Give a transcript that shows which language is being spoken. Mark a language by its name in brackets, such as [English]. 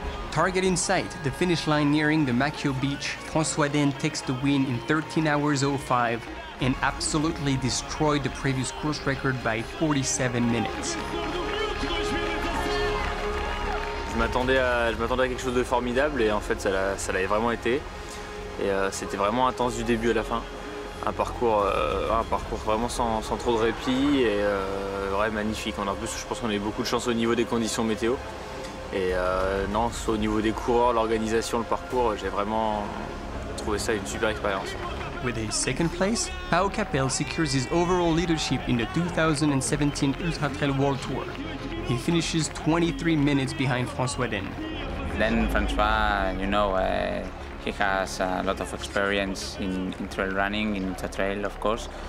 [English] Target in sight, the finish line nearing the Macchio Beach, François then takes the win in 13 hours 05 and absolutely destroyed the previous course record by 47 minutes. [French] Je m'attendais à quelque chose de formidable et en fait ça l'avait vraiment été. Et c'était vraiment intense du début à la fin. Un parcours vraiment sans trop de répit et magnifique. Je pense qu'on a eu beaucoup de chance au niveau des conditions météo. Et soit au niveau des coureurs, l'organisation, le parcours, j'ai vraiment trouvé ça une super expérience. [English] With his second place, Pau Capel secures his overall leadership in the 2017 Ultra Trail World Tour. He finishes 23 minutes behind François Den. Then François, he has a lot of experience in trail running, in ultra trail, of course.